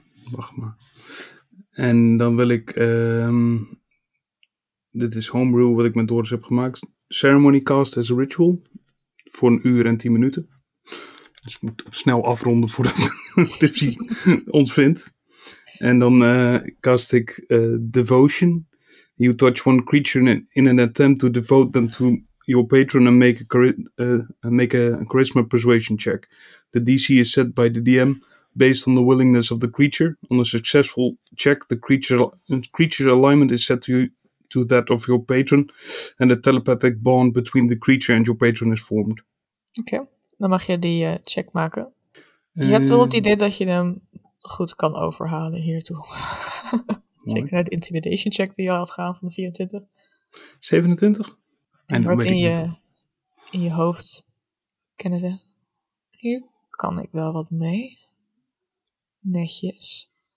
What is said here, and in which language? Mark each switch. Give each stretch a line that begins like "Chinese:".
Dutch: Wacht maar. En dan wil ik... dit is homebrew wat ik met Doris heb gemaakt.
English: Ceremony cast as a ritual.
Dutch: Voor 1 uur en 10 minuten. Dus ik moet snel afronden voordat Tipsy ons vindt. En dan cast ik devotion.
English: You touch one creature in an attempt to devote them to your patron and make a charisma persuasion check. The DC is set by the DM based on the willingness of the creature. On a successful check, the creature alignment is set to that of your patron and a telepathic bond between the creature and your patron is formed.
Dutch: Oké, dan mag je die check maken. Je hebt wel het idee dat je hem goed kan overhalen hiertoe. Zeker naar de intimidation check die je had gehaald van de 24. 27? En je hoort in je hoofd kennen ze. Hier kan ik wel wat mee. Netjes.